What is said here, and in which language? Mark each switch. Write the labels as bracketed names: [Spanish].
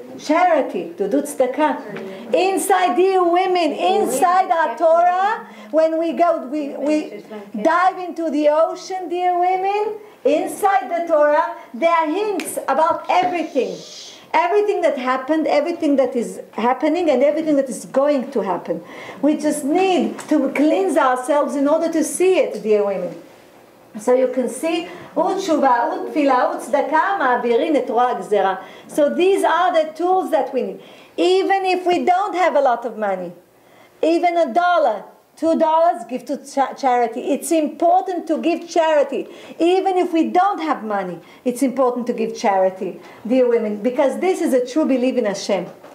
[English] Charity, to do tzedakah. Inside, dear women, inside our Torah, when we go, we dive into the ocean, dear women, inside the Torah, there are hints about everything. Everything that happened, everything that is happening, and everything that is going to happen. We just need to cleanse ourselves in order to see it, dear women. So you can see, [Hebrew] עוד תשובה, עוד תפילה, עוד צדקה, מעבירים את רוע הגזרה. [English] So these are the tools that we need. Even if we don't have a lot of money, even a dollar, $2, give to charity. It's important to give charity. Even if we don't have money, it's important to give charity, dear women, because this is a true belief in Hashem.